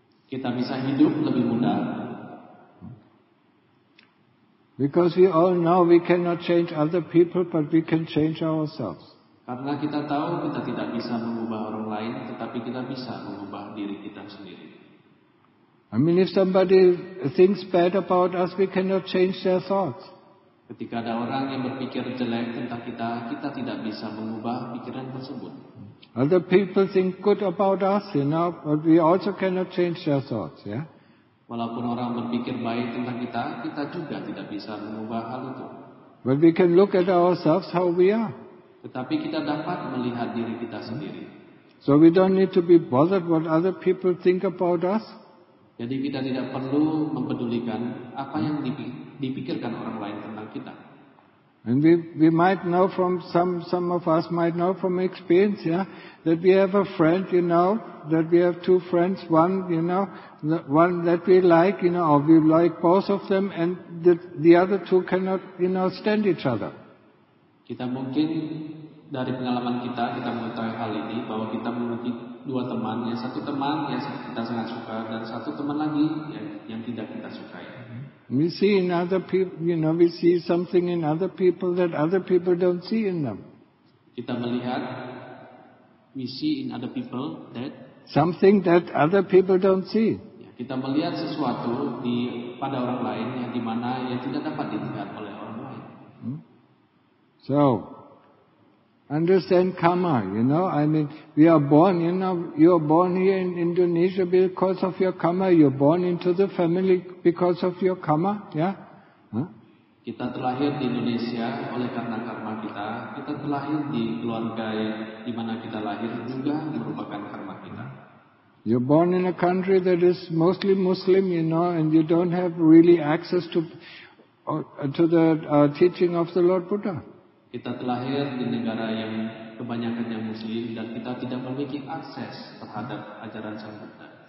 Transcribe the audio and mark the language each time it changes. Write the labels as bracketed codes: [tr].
[id] Kita bisa hidup lebih mudah. [en] Because we all know we cannot change other people, but we can change ourselves. [id] Karena kita tahu kita tidak bisa mengubah orang lain, tetapi kita bisa mengubah diri kita sendiri. [en] I mean, if somebody thinks bad about us, we cannot change their thoughts. [id] Ketika ada orang yang berpikir jelek tentang kita, kita tidak bisa mengubah pikiran tersebut. [en] Other people think good about us, you know, but we also cannot change their thoughts, yeah? [id] Walaupun orang berpikir baik tentang kita, kita juga tidak bisa mengubah hal itu. [en] But we can look at ourselves how we are. [id] Tetapi kita dapat melihat diri kita sendiri. [en] So we don't need to be bothered what other people think about us. [id] Jadi kita tidak perlu mempedulikan apa yang dipikirkan orang lain tentang kita. [en] And we might know from some of us might know from experience, yeah, that we have a friend, you know, that we have two friends, one, you know, the one that we like, you know, or we like both of them, and the other two cannot, you know, stand each other. [id] Kita mungkin dari pengalaman kita mengetahui hal ini, bahwa kita memiliki dua teman, ya, satu teman yang kita sangat suka dan satu teman lagi yang tidak kita sukai. [en] We see in other people, you know, we see something in other people that other people don't see in them. [id] Kita melihat, [en] we see in other people that something that other people don't see. [id] Ya, kita melihat sesuatu di pada orang lain yang di mana yang tidak dapat dilihat oleh orang lain. [en] So, understand karma, you know. I mean, we are born, you know, you are born here in Indonesia because of your karma. You are born into the family because of your karma, yeah? [id] Kita terlahir di Indonesia oleh karena karma kita. Kita terlahir di keluarga di mana kita lahir juga merupakan karma kita. [en] You are born in a country that is mostly Muslim, you know, and you don't have really access to the teaching of the Lord Buddha. [id] Kita terlahir di negara yang kebanyakan yang Muslim dan kita tidak memiliki akses terhadap ajaran Sang Buddha.